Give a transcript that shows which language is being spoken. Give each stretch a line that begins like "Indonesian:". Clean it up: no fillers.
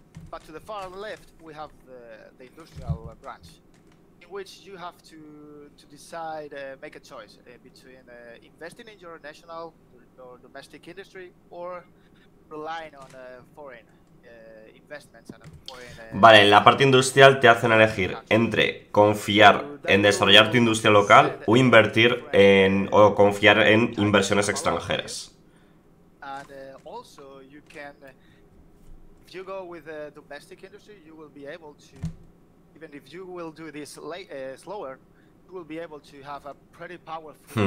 English: But to the far left we have the industrial branch, in which you have to decide, make a choice between investing in your national or domestic industry or relying on foreign investments and foreign.
Spanish: Vale, en la parte industrial te hacen elegir entre confiar en desarrollar tu industria local o invertir en o confiar en inversiones extranjeras.
English: And also you can, if you go with the domestic industry, you will be able to, even if you will do this slower, you will be able to have a pretty powerful.